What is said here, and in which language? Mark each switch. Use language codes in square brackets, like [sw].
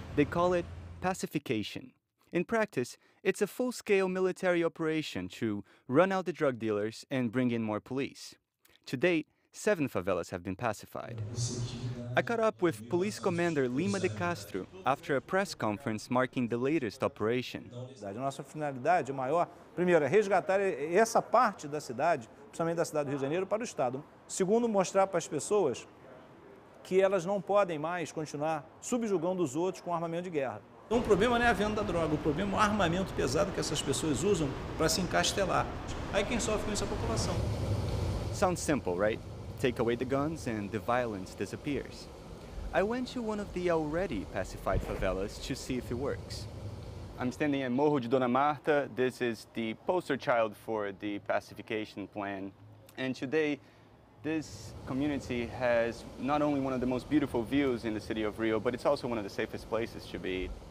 [en] They call it pacification. In practice, it's a full-scale military operation to run out the drug dealers and bring in more police. To date, 7 favelas have been pacified. I caught up with Police Commander Lima de Castro after a press conference marking the latest operation. [pt] Nossa finalidade maior, primeiro, é resgatar essa parte da cidade, principalmente da cidade do Rio de Janeiro, para o Estado. Segundo, mostrar para as pessoas que elas não podem mais continuar subjugando os outros com armamento de guerra. Um problema não é a venda da droga, o problema é o armamento pesado que essas pessoas usam para se encastelar. Aí quem sofre com isso é a população. [en] Sounds simple, right? Take away the guns and the violence disappears. I went to one of the already pacified favelas to see if it works. I'm standing at Morro de Dona Marta. This is the poster child for the pacification plan. And today, this community has not only one of the most beautiful views in the city of Rio, but it's also one of the safest places to be.